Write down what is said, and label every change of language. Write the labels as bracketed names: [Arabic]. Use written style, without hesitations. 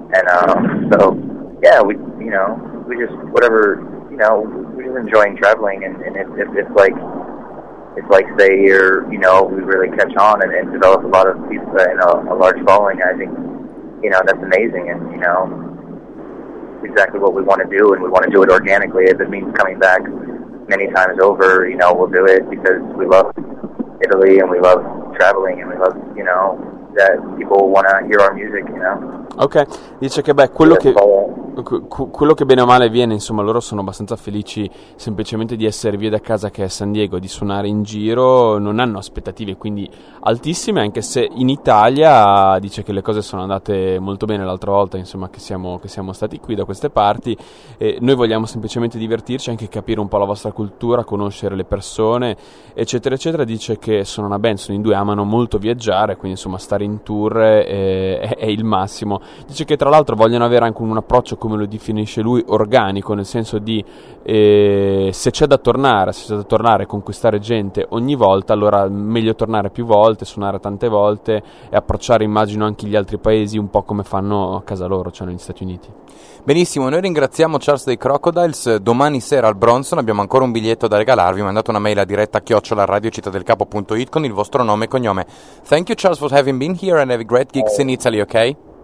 [English] And so, yeah, we're just enjoying traveling, and if say here, you know, we really catch on and develop a lot of people and a large following, I think, you know, that's amazing, and, you know, exactly what we want to do, and we want to do it organically. If it means coming back many times over, you know, we'll do it because we love Italy and we love traveling and we love, you know, that people want to hear our music, you know. [Italian] Ok, dice che beh, quello che bene o male viene, insomma, loro sono abbastanza felici semplicemente di essere via da casa, che è San Diego, di suonare in giro, non hanno aspettative quindi altissime, anche se in Italia dice che le cose sono andate molto bene l'altra volta, insomma, che siamo stati qui da queste parti, e noi vogliamo semplicemente divertirci, anche capire un po' la vostra cultura, conoscere le persone, eccetera eccetera. Dice che sono una band, sono in due, amano molto viaggiare, quindi insomma stare in tour è il massimo. Dice che tra l'altro vogliono avere anche un approccio, come lo definisce lui, organico, nel senso di se c'è da tornare a conquistare gente ogni volta, allora meglio tornare più volte, suonare tante volte e approcciare, immagino, anche gli altri paesi un po' come fanno a casa loro, cioè negli Stati Uniti. Benissimo, noi ringraziamo Charles dei Crocodiles. Domani sera al Bronson abbiamo ancora un biglietto da regalarvi, mandate una mail a diretta@radiocittadelcapo.it con il vostro nome e cognome. [English] Thank you Charles for having been here and have a great gigs in Italy, ok?